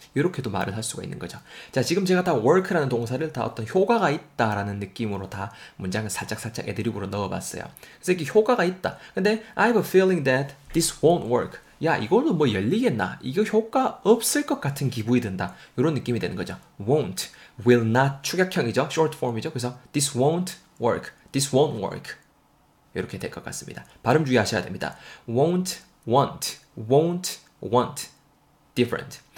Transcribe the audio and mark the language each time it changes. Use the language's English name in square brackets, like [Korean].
[Korean] 이렇게도 말을 할 수가 있는 거죠. 자, 지금 제가 다 work라는 동사를 다 어떤 효과가 있다라는 느낌으로 다 문장을 살짝살짝 애드립으로 넣어봤어요. 그래서 이게 효과가 있다. [English] 근데 I have a feeling that this won't work. [Korean] 야, 이거는 뭐 열리겠나? 이거 효과 없을 것 같은 기분이 든다. 이런 느낌이 되는 거죠. won't, will not 축약형이죠. short form이죠. [English] 그래서 this won't work, this won't work. [Korean] 이렇게 될 것 같습니다. 발음 주의하셔야 됩니다. [English] won't, want, won't, want. different.